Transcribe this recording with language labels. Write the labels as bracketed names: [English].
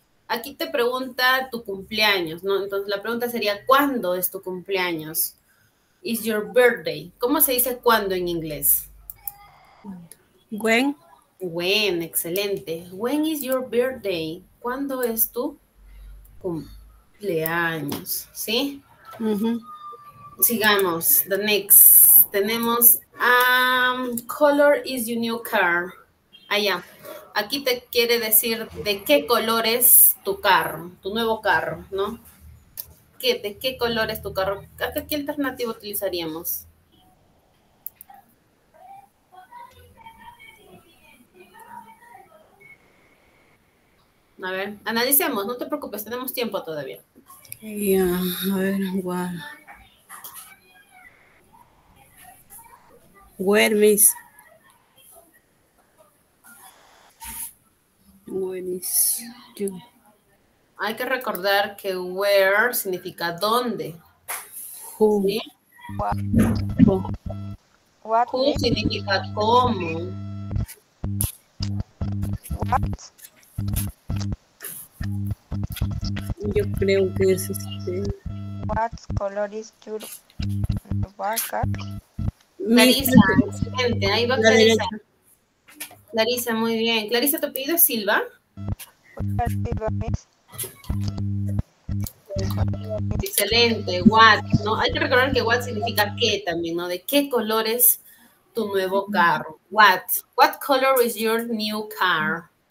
[Spanish] Aquí te pregunta tu cumpleaños, ¿no? Entonces, la pregunta sería, ¿cuándo es tu cumpleaños? [English] Is your birthday. [Spanish] ¿Cómo se dice cuándo en inglés? [English] When. When, excelente. When is your birthday? [Spanish] ¿Cuándo es tu cumpleaños? ¿Sí? Sigamos, [English] the next. Tenemos, color is your new car. [Spanish] Allá. Aquí te quiere decir de qué color es tu carro, tu nuevo carro, ¿no? ¿De qué color es tu carro? ¿Qué alternativa utilizaríamos? A ver, analicemos, no te preocupes, tenemos tiempo todavía. Yeah, a ver, igual. [English] Where, miss? Where is you? [Spanish] Hay que recordar que where significa dónde. [English] Who. [Spanish] ¿Sí? [English] What. [Spanish] Who significa cómo. [English] what? [Spanish] Yo creo que es este. [English] What color is your marker? [Spanish] Clarisa, siguiente, ahí va Clarisa. Clarisa, muy bien. Clarisa, ¿tu apellido es Silva? Hola, Silva, Miss. Excelente, what, ¿no? Hay que recordar que what significa qué también, ¿no? De qué color es tu nuevo carro. [English] What, what color is your new car?